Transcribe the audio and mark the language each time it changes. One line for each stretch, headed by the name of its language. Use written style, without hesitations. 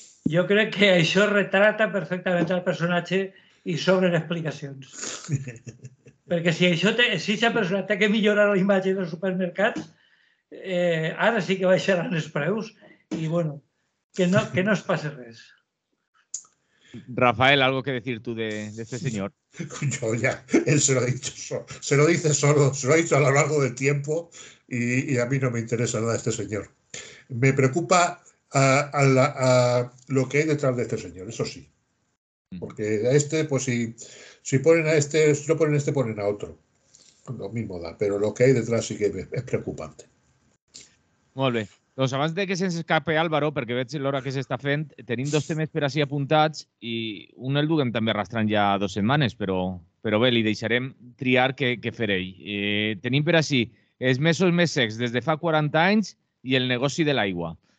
Catalan: Jo crec que això retrata perfectament el personatge i sobre les explicacions. Perquè si aquesta persona té que millorar la imatge dels supermercats, ara sí que baixaran els preus i, bueno, que no es passi res.
Spanish: Rafael, algo que decir tú de este señor. Yo ya, él se lo ha dicho, se lo dice solo, se lo ha dicho a lo largo del tiempo y a mí no me interesa nada este señor. Me preocupa a lo que hay detrás de este señor, eso sí. Porque a este, pues si no ponen a este, ponen a otro. Lo mismo da, pero lo que hay detrás sí que es preocupante.
Catalan: Molt bé. Doncs abans de que se'ns escape Álvaro, perquè veig l'hora que s'està fent, tenim dos temes per ací apuntats i un el duguem també arrastrant ja dues setmanes, però bé, li deixarem triar què fer ell. Tenim per ací els mesos més secs des de fa 40 anys i el negoci de l'aigua.